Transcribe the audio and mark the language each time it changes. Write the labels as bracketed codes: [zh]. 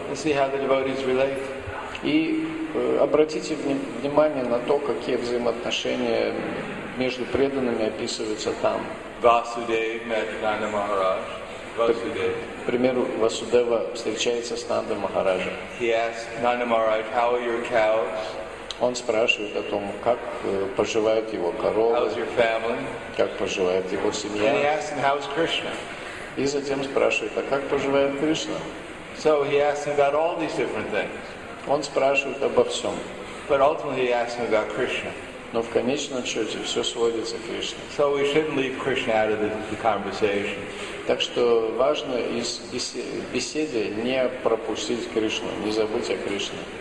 [en] And see how the devotees relate. [ru] И обратите внимание на то, какие взаимоотношения между преданными описываются там. [en] Vasudev met Nanda Maharaj. Vasudev. [ru] К примеру, Васудева встречается с Нанда Махараджем. [en] He asks Nanda Maharaj, "How are your cows?" [ru] Он спрашивает о том, как поживают его коровы, как поживает его семья. [en] And he asks him, "How is Krishna?" [ru] И затем спрашивает, а как поживает Кришна? [en] So he asks him about all these different things. [ru] Он спрашивает обо всем. [en] But ultimately he asks him about Krishna. [ru] Но в конечном счете все сводится к Кришне. [en] So we shouldn't leave Krishna out of the conversation. [ru] Так что важно из беседы не пропустить Кришну, не забыть о Кришне.